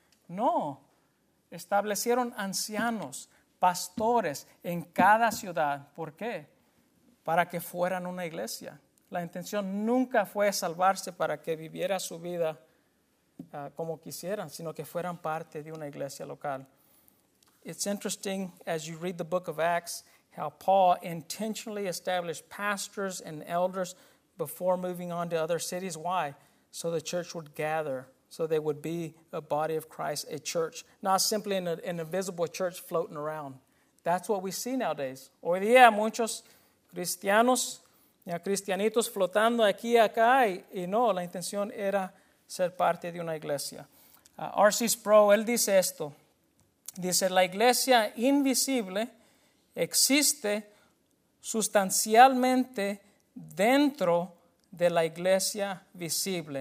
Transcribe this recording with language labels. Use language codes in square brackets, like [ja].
[es] No, establecieron ancianos, pastores en cada ciudad. ¿Por qué? Para que fueran una iglesia. La intención nunca fue salvarse para que viviera su vida como quisieran, sino que fueran parte de una iglesia local. [en] It's interesting as you read the book of Acts, how Paul intentionally established pastors and elders before moving on to other cities. Why? So the church would gather, so they would be a body of Christ, a church, not simply an invisible church floating around. That's what we see nowadays. [es] Hoy día, muchos cristianos, ya cristianitos flotando aquí y acá, y no, la intención era ser parte de una iglesia. R.C. Sproul, él dice esto. Dice, la iglesia invisible existe sustancialmente dentro de la iglesia visible.